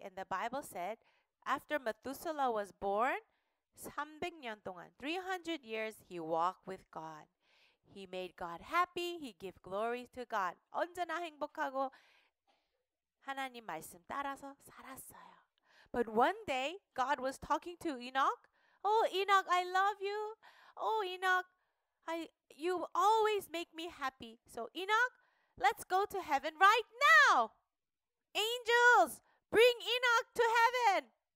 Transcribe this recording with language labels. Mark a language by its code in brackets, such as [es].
[en] And the Bible said, after Methuselah was born, [ko] 300년 동안, [en] 300 years, he walked with God. He made God happy. He gave glory to God. [ko] 언제나 행복하고 하나님 말씀 따라서 살았어요. [en] But one day, God was talking to Enoch. Oh, Enoch, I love you. Oh, Enoch, you always make me happy. So, Enoch, let's go to heaven right now. Angels, bring Enoch to heaven.